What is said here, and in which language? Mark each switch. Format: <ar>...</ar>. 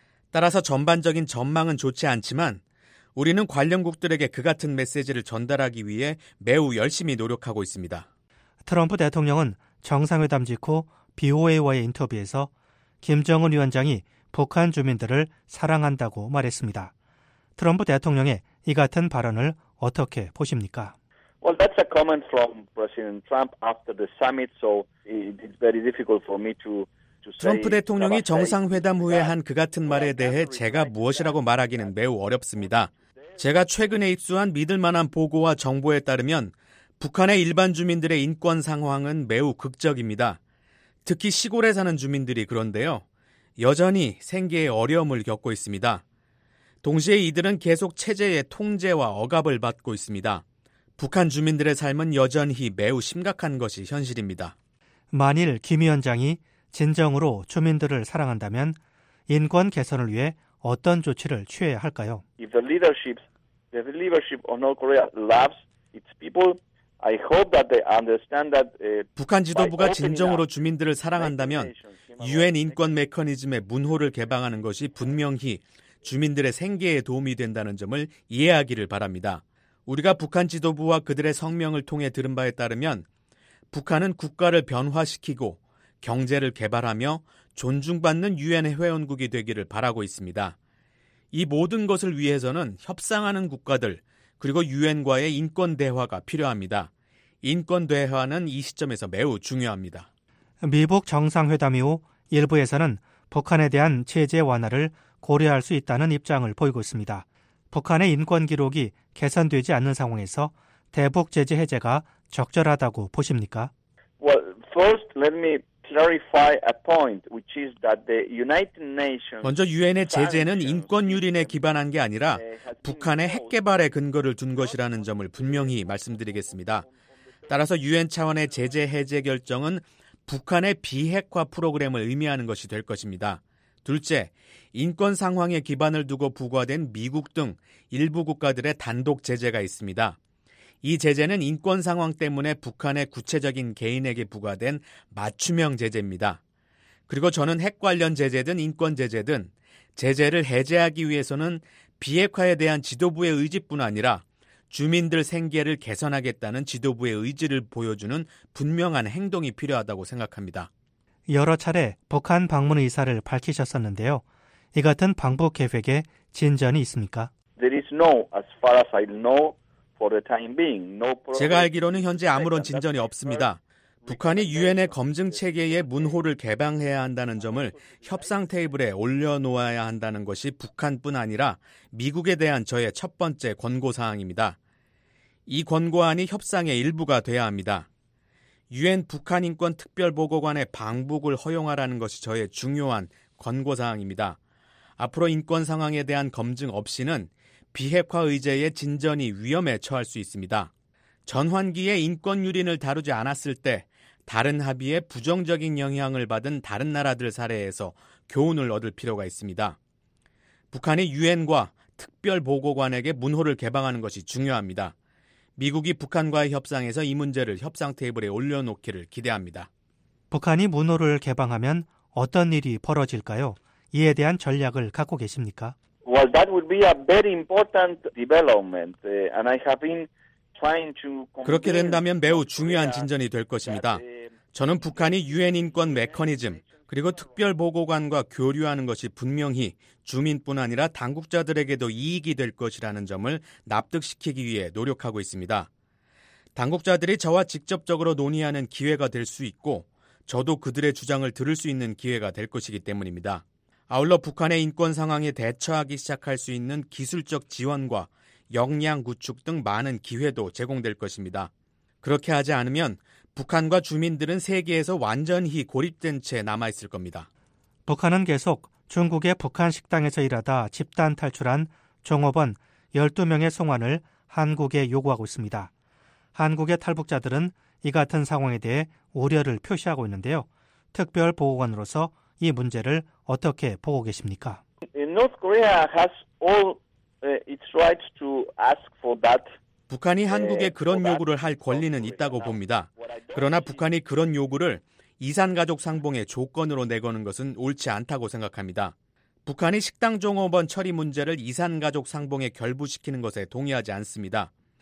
<ko>따라서 전반적인 전망은 좋지 않지만 우리는 관련국들에게 그 같은 메시지를 전달하기 위해 매우 열심히 노력하고 있습니다. 트럼프 대통령은 정상회담 직후 BOA와의 인터뷰에서 김정은 위원장이 북한 주민들을 사랑한다고 말했습니다. 트럼프 대통령의 이 같은 발언을 어떻게 보십니까?</ko> <en>Well, that's a comment from President Trump after the summit, so it's very difficult for me to</en> <ko>트럼프 대통령이 정상회담 후에 한 그 같은 말에 대해 제가 무엇이라고 말하기는 매우 어렵습니다. 제가 최근에 입수한 믿을만한 보고와 정보에 따르면 북한의 일반 주민들의 인권 상황은 매우 극적입니다. 특히 시골에 사는 주민들이 그런데요. 여전히 생계에 어려움을 겪고 있습니다. 동시에 이들은 계속 체제의 통제와 억압을 받고 있습니다. 북한 주민들의 삶은 여전히 매우 심각한 것이 현실입니다. 만일 김 위원장이 진정으로 주민들을 사랑한다면 인권 개선을 위해 어떤 조치를 취해야 할까요?</ko> <en>If the leadership of North Korea loves its people, I hope that they understand that</en> <ko>북한 지도부가 진정으로 주민들을 사랑한다면 UN 인권 메커니즘의 문호를 개방하는 것이 분명히 주민들의 생계에 도움이 된다는 점을 이해하기를 바랍니다. 우리가 북한 지도부와 그들의 성명을 통해 들은 바에 따르면 북한은 국가를 변화시키고 경제를 개발하며 존중받는 유엔의 회원국이 되기를 바라고 있습니다. 이 모든 것을 위해서는 협상하는 국가들 그리고 유엔과의 인권 대화가 필요합니다. 인권 대화는 이 시점에서 매우 중요합니다. 미북 정상회담 이후 일부에서는 북한에 대한 제재 완화를 고려할 수 있다는 입장을 보이고 있습니다. 북한의 인권 기록이 개선되지 않는 상황에서 대북 제재 해제가 적절하다고 보십니까?</ko> <en>Well, first let me clarify a point, which is that the United Nations</en> <ko>먼저 유엔의 제재는 인권 유린에 기반한 게 아니라 북한의 핵 개발에 근거를 둔 것이라는 점을 분명히 말씀드리겠습니다. 따라서 유엔 차원의 제재 해제 결정은 북한의 비핵화 프로그램을 의미하는 것이 될 것입니다. 둘째, 인권 상황에 기반을 두고 부과된 미국 등 일부 국가들의 단독 제재가 있습니다. 이 제재는 인권 상황 때문에 북한의 구체적인 개인에게 부과된 맞춤형 제재입니다. 그리고 저는 핵 관련 제재든 인권 제재든 제재를 해제하기 위해서는 비핵화에 대한 지도부의 의지뿐 아니라 주민들 생계를 개선하겠다는 지도부의 의지를 보여주는 분명한 행동이 필요하다고 생각합니다. 여러 차례 북한 방문 의사를 밝히셨었는데요. 이 같은 방북 계획에 진전이 있습니까?</ko> <en>There is no, as far as I know, for the time being. No</en> <ko>제가 알기로는 현재 아무런 진전이 없습니다. 북한이 UN의 검증 체계의 문호를 개방해야 한다는 점을 협상 테이블에 올려놓아야 한다는 것이 북한뿐 아니라 미국에 대한 저의 첫 번째 권고사항입니다. 이 권고안이 협상의 일부가 돼야 합니다. 유엔 북한인권특별보고관의 방북을 허용하라는 것이 저의 중요한 권고사항입니다. 앞으로 인권 상황에 대한 검증 없이는 비핵화 의제의 진전이 위험에 처할 수 있습니다. 전환기에 인권 유린을 다루지 않았을 때 다른 합의에 부정적인 영향을 받은 다른 나라들 사례에서 교훈을 얻을 필요가 있습니다. 북한이 유엔과 특별보고관에게 문호를 개방하는 것이 중요합니다. 미국이 북한과의 협상에서 이 문제를 협상 테이블에 올려놓기를 기대합니다. 북한이 문호를 개방하면 어떤 일이 벌어질까요? 이에 대한 전략을 갖고 계십니까?</ko> <en>Well, that would be a very important development, and I have been trying to.</en> <ko>그렇게 된다면 매우 중요한 진전이 될 것입니다. 저는 북한이 유엔 인권 메커니즘 그리고 특별 보고관과 교류하는 것이 분명히 주민뿐 아니라 당국자들에게도 이익이 될 것이라는 점을 납득시키기 위해 노력하고 있습니다. 당국자들이 저와 직접적으로 논의하는 기회가 될 수 있고 저도 그들의 주장을 들을 수 있는 기회가 될 것이기 때문입니다. 아울러 북한의 인권 상황에 대처하기 시작할 수 있는 기술적 지원과 역량 구축 등 많은 기회도 제공될 것입니다. 그렇게 하지 않으면 북한과 주민들은 세계에서 완전히 고립된 채 남아있을 겁니다. 북한은 계속 중국의 북한 식당에서 일하다 집단 탈출한 종업원 12명의 송환을 한국에 요구하고 있습니다. 한국의 탈북자들은 이 같은 상황에 대해 우려를 표시하고 있는데요. 특별보고관으로서 이 문제를 어떻게 보고 계십니까?</ko> <en>North Korea has all its rights to ask for that.</en> <ko>북한이 한국에 그런 요구를 할 권리는 있다고 봅니다. 그러나 북한이 그런 요구를 이산가족 상봉의 조건으로 내거는 것은 옳지 않다고 생각합니다. 북한이 식당 종업원 처리 문제를 이산가족 상봉에 결부시키는 것에 동의하지 않습니다.</ko>